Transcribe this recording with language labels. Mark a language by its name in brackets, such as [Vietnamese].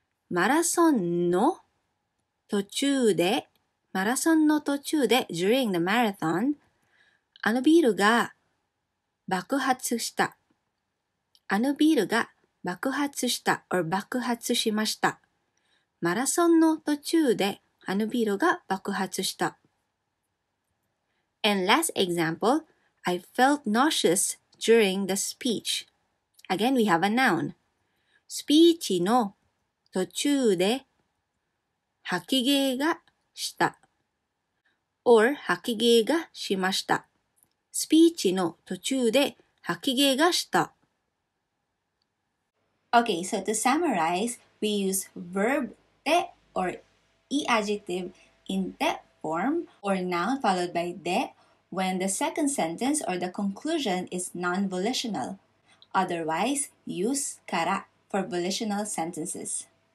[Japanese] マラソンの途中で、マラソンの途中で、 [English] during the marathon, [Japanese] あのビルが爆発した。あのビルが爆発した、or 爆発しました。マラソンの途中で、あのビルが爆発した。 [English] And last example, I felt nauseous during the speech. Again, we have a noun. [Japanese] スピーチの途中で、吐き気がした or 吐き気がしましたスピーチの途中で吐き気がした [English] Okay, so to summarize, we use verb て or i-adjective in て form or noun followed by て when the second sentence or the conclusion is non-volitional. Otherwise, use から for volitional sentences.